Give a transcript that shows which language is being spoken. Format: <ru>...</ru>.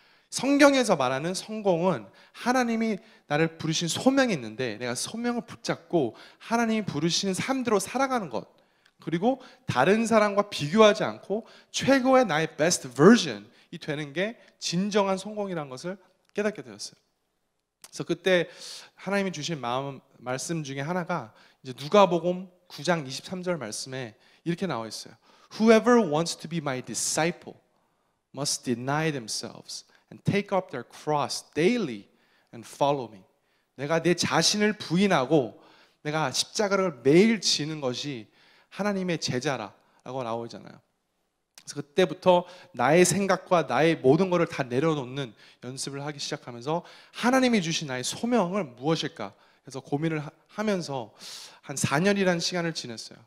<ko>성경에서 말하는 성공은 하나님이 나를 부르신 소명이 있는데 내가 소명을 붙잡고 하나님이 부르신 삶대로 살아가는 것 그리고 다른 사람과 비교하지 않고 최고의 나의</ko> <en>best version</en> <ko>이 되는 게 진정한 성공이라는 것을 깨닫게 되었어요. 그래서 그때 하나님이 주신 마음 말씀 중에 하나가 이제 누가복음 9장 23절 말씀에 이렇게 나와 있어요.</ko> <en>Whoever wants to be my disciple must deny themselves and take up their cross daily and follow me.</en> <ko>내가 내 자신을 부인하고 내가 십자가를 매일 지는 것이 하나님의 제자라고 나오잖아요. 그래서 그때부터 나의 생각과 나의 모든 것을 다 내려놓는 연습을 하기 시작하면서 하나님이 주신 나의 소명을 무엇일까 해서 고민을 하면서 한 4년이라는 시간을 지냈어요.</ko>